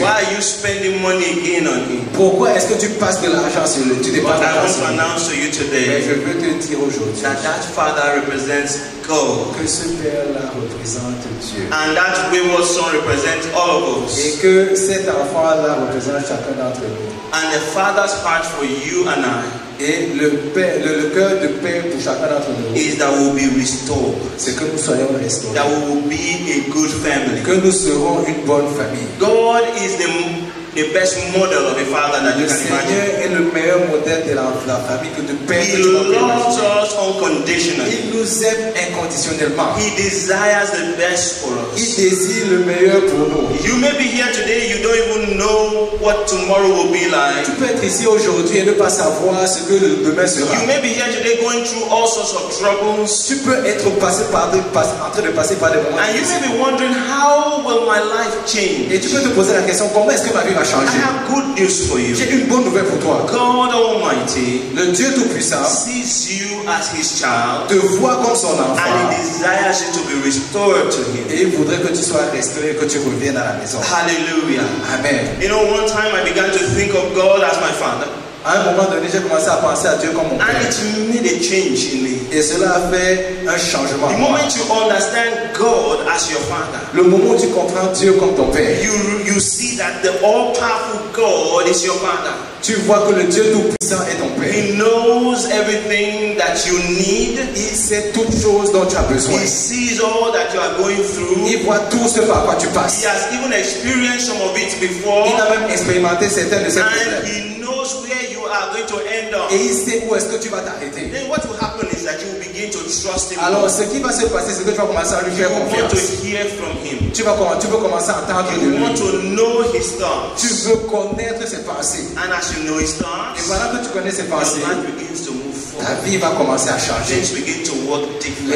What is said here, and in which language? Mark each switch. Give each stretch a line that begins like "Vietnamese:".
English: Why are you spending money again on him?
French: Pourquoi est-ce que tu passes de l'argent sur lui? Tu dépenses de l'argent sur lui.
English: I want to announce to you today.
French: Mais je veux te dire aujourd'hui.
English: That father represents God.
French: Que ce père-là représente Dieu.
English: And that wayward son represents all of us.
French: Et que cet enfant-là représente chacun d'entre nous.
English: And the father's heart for you and I.
French: Et le cœur de père pour chacun d'entre nous.
English: Is that we will be restored.
French: C'est que nous soyons restaurés.
English: That we will be a good family.
French: Que nous serons une bonne famille.
English: God is the best model of a father that you can imagine.
French: Le Seigneur est le meilleur modèle de la famille que de père.
English: He loves us unconditionally.
French: Il nous aime inconditionnellement.
English: He desires the best for us.
French: Il désire le meilleur pour nous.
English: You may be here today, you don't even know what tomorrow will be like.
French: Tu peux être ici aujourd'hui et ne pas savoir ce que le demain sera.
English: You may be here today going through all sorts of troubles.
French: Tu peux être passer par des moments.
English: And you may be wondering how will my life change.
French: Et tu peux te poser la question comment est-ce que ma vie va changer.
English: I have good news for you.
French: J'ai une bonne nouvelle pour toi.
English: God Almighty,
French: le Dieu Tout-Puissant,
English: sees you as His child,
French: te voit comme son enfant,
English: and He desires you to be restored to Him.
French: Et il voudrait que tu sois restauré, que tu reviennes à la maison.
English: Hallelujah.
French: Amen.
English: You know, one time I began to think of God as my father.
French: À un moment donné, j'ai commencé à penser à Dieu comme mon père.
English: And it made a change in me.
French: Et cela a fait un changement.
English: The moment you understand God as your father,
French: le moment où tu comprends Dieu comme ton père,
English: you see that the all-powerful God is your father.
French: Tu vois que le Dieu tout-puissant est ton père.
English: He knows everything that you need.
French: Il sait toutes choses dont tu as besoin.
English: He sees all that you are going through.
French: Il voit tout ce par quoi tu passes.
English: He has even experienced some of it before.
French: Il a même expérimenté certains de ces problèmes. Et il sait où est-ce que tu vas t'arrêter.
English: Then what will happen is that you will begin to trust him.
French: Alors ce qui va se passer, c'est que tu vas commencer à lui faire confiance.
English: You want to hear from him.
French: Tu veux commencer à entendre de lui.
English: You want to know his thoughts.
French: Tu veux connaître ses pensées.
English: And as you know his thoughts,
French: et pendant que tu connais ses pensées,
English: your mind begins to move forward.
French: Ta vie va commencer à changer.
English: Things begin to work differently.